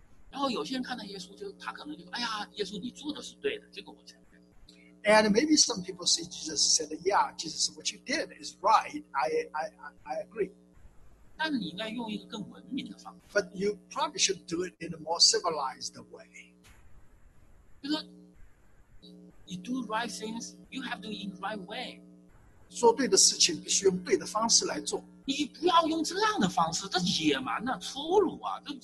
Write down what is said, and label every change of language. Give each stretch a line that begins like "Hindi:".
Chinese: 然后有些人看到耶稣就他可能就哎呀，耶稣你做的是对的，这个我承认。
English: And maybe some people see Jesus said, yeah, Jesus, what you did is right. I agree.
Chinese: 但是你应该用一个更文明的方法。
English: But you probably should do it in a more civilized way.
Chinese: 就是你
English: do right things, you have to do it in the right way.
Chinese: 做对的事情必须用对的方式来做。你不要用这样的方式，这是野蛮的、粗鲁啊！